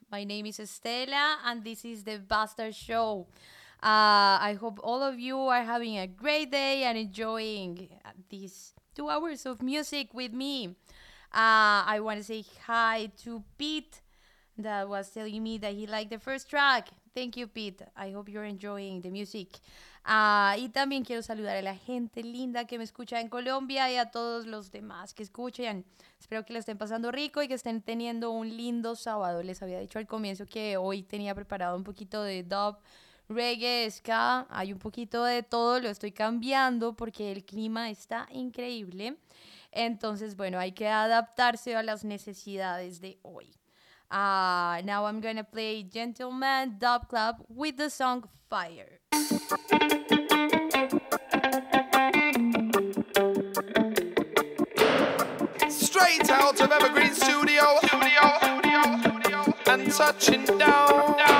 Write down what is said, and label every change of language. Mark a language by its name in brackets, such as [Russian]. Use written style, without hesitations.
[English] My name is Estela and this is the Bastard Show. I hope all of you are having a great day and enjoying these 2 hours of music with me. I want to say hi to Pete that was telling me that he liked the first track. Thank you, Pete. I hope you're enjoying the music. [Spanish] Y también quiero saludar a la gente linda que me escucha en Colombia y a todos los demás que escuchan. Espero que la estén pasando rico y que estén teniendo un lindo sábado. Les había dicho al comienzo que hoy tenía preparado un poquito de dub, reggae, ska. Hay un poquito de todo, lo estoy cambiando porque el clima está increíble. Entonces, bueno, hay que adaptarse a las necesidades de hoy. [English] Now I'm gonna play Gentleman Dub Club with the song Fire. Straight out of Evergreen Studio, and touching down.